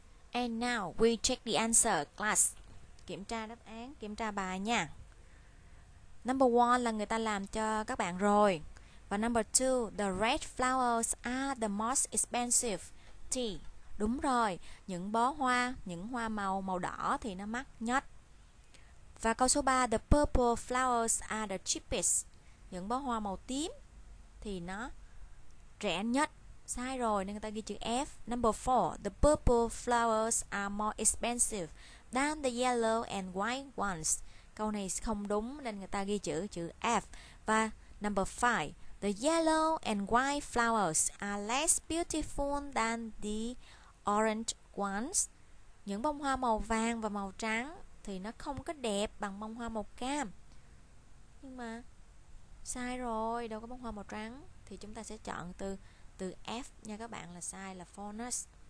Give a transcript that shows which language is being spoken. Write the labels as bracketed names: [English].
[English] And now we check the answer, class. [Vietnamese] Kiểm tra đáp án, kiểm tra bài nha. Number 1 là người ta làm cho các bạn rồi. [English] Và number 2, the red flowers are the most expensive tea. [Vietnamese] Đúng rồi, những bó hoa, những hoa màu màu đỏ thì nó mắc nhất. [English] Và câu số 3, the purple flowers are the cheapest. [Vietnamese] Những bó hoa màu tím thì nó rẻ nhất. Sai rồi nên người ta ghi chữ F. [English] Number 4, the purple flowers are more expensive than the yellow and white ones. [Vietnamese] Câu này không đúng nên người ta ghi chữ F. [English] Và number 5, the yellow and white flowers are less beautiful than the orange ones. [Vietnamese] Những bông hoa màu vàng và màu trắng thì nó không có đẹp bằng bông hoa màu cam. Nhưng mà sai rồi, đâu có bông hoa màu trắng. Thì chúng ta sẽ chọn từ F nha các bạn, là sai, là fullness.